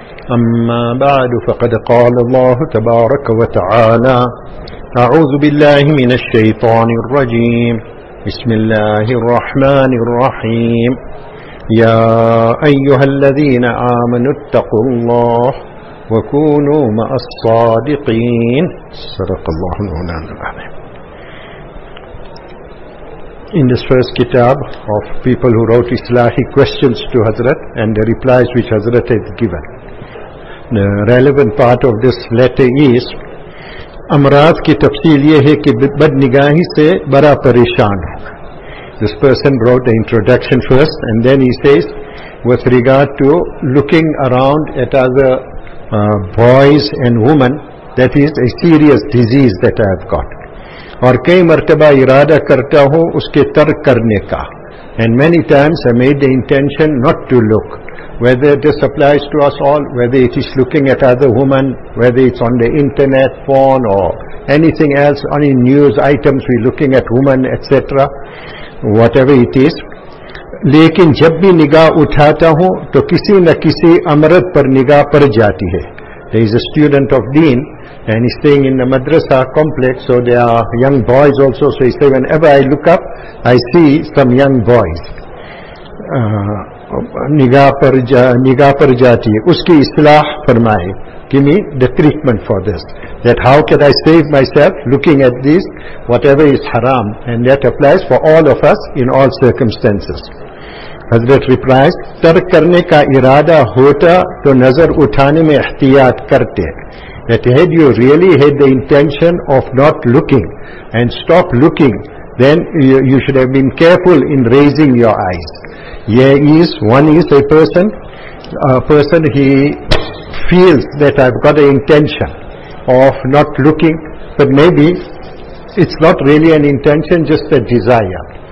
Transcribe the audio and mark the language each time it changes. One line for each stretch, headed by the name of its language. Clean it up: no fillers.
Arabic: أما بعد، فقد قال الله تبارك وتعالى: أعوذ بالله من الشيطان الرجيم، بسم الله الرحمن الرحيم: يا أيها الذين آمنوا اتقوا الله وكونوا مع الصادقين. صدق الله مولانا العظيم.
English: In this first kitab of people who wrote Islahi questions to Hazrat and the replies which Hazrat had given. The relevant part of this letter is
Urdu: Amraz ki tafseel ye hai ki bad nigahi se bara pareshan.
English: This person wrote the introduction first, and then he says, with regard to looking around at other boys and women, that is a serious disease that I have got.
Urdu: اور کئی مرتبہ ارادہ کرتا ہوں اس کے ترک کرنے کا.
English: And many times I made the intention not to look. Whether this applies to us all, whether it is looking at other women, whether it's on the internet, porn or anything else, any news items, we're looking at women, etc. Whatever it is.
Urdu: لیکن جب بھی نگاہ اٹھاتا ہوں تو کسی نہ کسی امرض پر نگاہ پڑ جاتی ہے.
English: There is a student of deen and he's staying in the madrasa complex, so there are young boys also. So he said, whenever I look up, I see some young boys.
Urdu: Nigaah par jaati hai. Uski islah farmaye.
English: Give me the treatment for this. That how can I save myself looking at this, whatever is haram. And that applies for all of us in all circumstances.
Urdu: حضرت replies: ترک کرنے کا ارادہ ہوتا تو نظر اٹھانے میں احتیاط کرتے.
English: That had you really had the intention of not looking and stop looking, then you should have been careful in raising your eyes. A person he feels that I've got an intention of not looking, but maybe it's not really an intention, just a desire.